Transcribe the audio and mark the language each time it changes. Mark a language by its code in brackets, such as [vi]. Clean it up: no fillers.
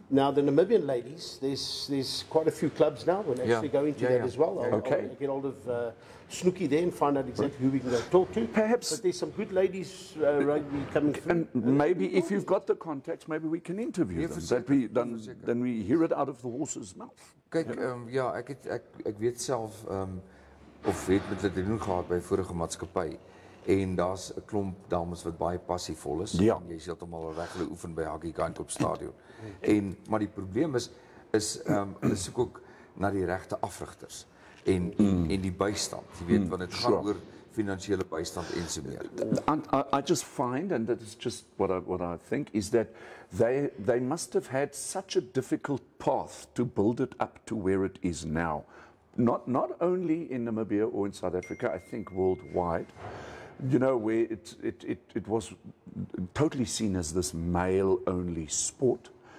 [en] Now the Namibian ladies, there's quite a few clubs now. We're actually going to as well. I'll get hold of Snooki there and find out exactly who we can go talk to. Perhaps, but there's some good ladies rugby coming through. And maybe if you've got the contacts, maybe we can interview them. Then we hear it out of the horse's mouth. [af] Kyk, ek weet self of het met hulle doen gehad by vorige maatskappy en daar's 'n klomp dames wat baie passievol is. Ja. Jy is heeltemal reg, hulle oefen by Hage Geingob Stadion. En maar die probleem is hulle soek ook na die regte afrigters en die bystand. Jy weet want dit gaan oor finansiële bystand en so meer. [en] I just find, and that is just what I think, is that they must have had such a difficult path to build it up to where it is now. Not only in Namibia or in South Africa, I think worldwide. You know, where it was totally seen as this male-only sport.